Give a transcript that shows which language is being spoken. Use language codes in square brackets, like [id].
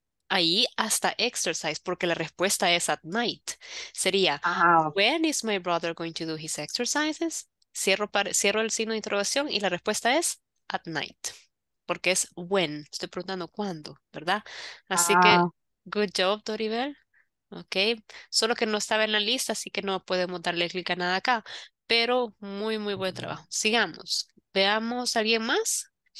[es] Ahí hasta exercise, porque la respuesta es [en] at night. Sería, when is my brother going to do his exercises? [es] Cierro el signo de interrogación y la respuesta es [en] at night. [es] Porque es when, estoy preguntando cuándo, ¿verdad? Así que, [en] good job, [es] Doribel. Ok, solo que no estaba en la lista, así que no podemos darle clic a nada acá. Pero muy, muy buen trabajo. Sigamos, veamos a alguien más.